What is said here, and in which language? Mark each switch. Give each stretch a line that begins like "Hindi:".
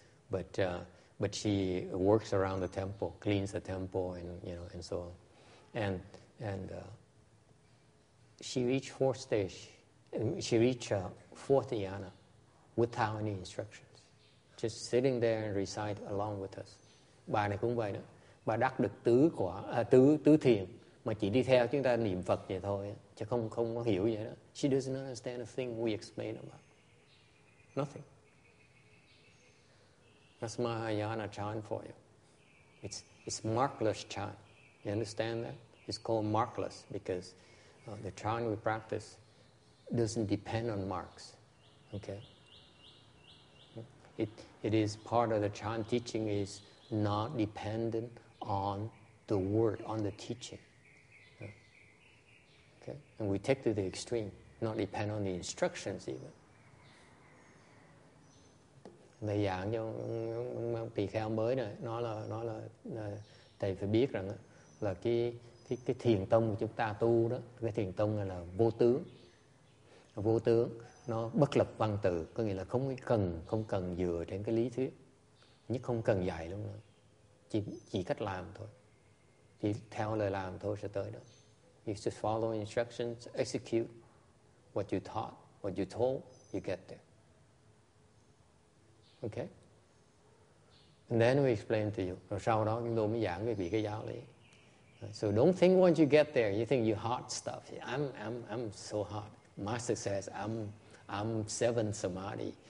English: But she works around the temple, cleans the temple, and you know, and so on. And she reached fourth stage. She reached fourth dhyana without any instructions, just sitting there and recite along with us.
Vietnamese: Bà này cũng vậy nữa. Bà đắc được tứ quả, tứ thiền mà chỉ đi theo chúng ta niệm Phật vậy thôi, chứ không có hiểu gì đó.
English: She doesn't understand a thing we explain about. Nothing. That's Mahayana chan for you. It's markless chan. You understand that? It's called markless because the chan we practice doesn't depend on marks. Okay. It is part of the chan teaching is not dependent on the word, on the teaching. Okay. And we take to the extreme, not depend on the instructions even.
Vietnamese: Thầy giảng cho tỳ kheo mới này, nó là thầy phải biết rằng là cái thiền tông của chúng ta tu đó, cái thiền tông là vô tướng, nó bất lập văn tự, có nghĩa là không cần dựa trên cái lý thuyết, nhất không cần dạy luôn nữa, chỉ cách làm thôi, chỉ theo lời làm thôi sẽ tới đó.
English: You just follow instructions, execute what you taught, what you told, you get there. Okay. And then we explain to you.
Vietnamese: Rồi sau đó chúng tôi mới giảng về cái giáo lý.
English: So don't think once you get there, you think you hot stuff. I'm so hot. Master says I'm seven samadhi.